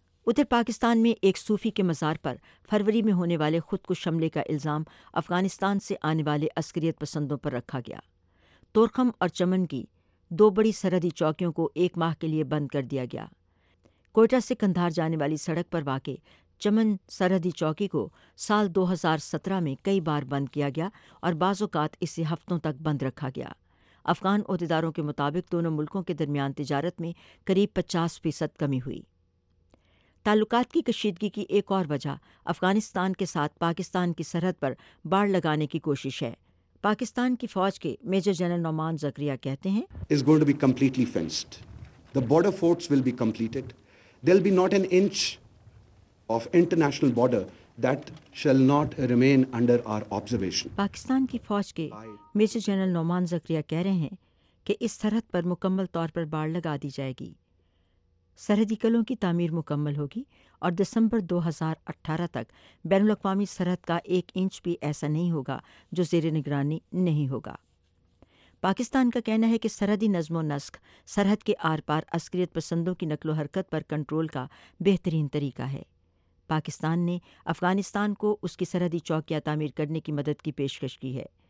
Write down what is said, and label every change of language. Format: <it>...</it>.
<ur>ادھر پاکستان میں ایک صوفی کے مزار پر فروری میں ہونے والے خودکش حملے کا الزام افغانستان سے آنے والے عسکریت پسندوں پر رکھا گیا۔ تورخم اور چمن کی دو بڑی سرحدی چوکیوں کو ایک ماہ کے لیے بند کر دیا گیا۔ کوئٹہ سے کندھار جانے والی سڑک پر واقع چمن سرحدی چوکی کو سال 2017 میں کئی بار بند کیا گیا اور بعض اوقات اسے ہفتوں تک بند رکھا گیا۔ افغان عہدیداروں کے مطابق دونوں ملکوں کے درمیان تجارت میں قریب 50% کمی ہوئی۔ تعلقات کی کشیدگی کی ایک اور وجہ افغانستان کے ساتھ پاکستان کی سرحد پر باڑ لگانے کی کوشش ہے۔ پاکستان کی فوج کے میجر جنرل نعمان زکریا کہتے ہیں،</ur> <en>It's going to be completely fenced. The border forts will be completed. There'll be not an inch of international border that shall not remain under our observation.</en> <ur>Pakistan کی فوج کے میجر جنرل نعمان زکریا کہہ رہے ہیں کہ اس سرحد پر مکمل طور پر باڑ لگا دی جائے گی، سرحدی کلوں کی تعمیر مکمل ہوگی اور 2018 تک بین الاقوامی سرحد کا ایک انچ بھی ایسا نہیں ہوگا جو زیر نگرانی نہیں ہوگا۔ پاکستان کا کہنا ہے کہ سرحدی نظم و نسق سرحد کے آر پار عسکریت پسندوں کی نقل و حرکت پر کنٹرول کا بہترین طریقہ ہے۔ پاکستان نے افغانستان کو اس کی سرحدی چوکیاں تعمیر کرنے کی مدد کی پیشکش کی ہے۔</ur>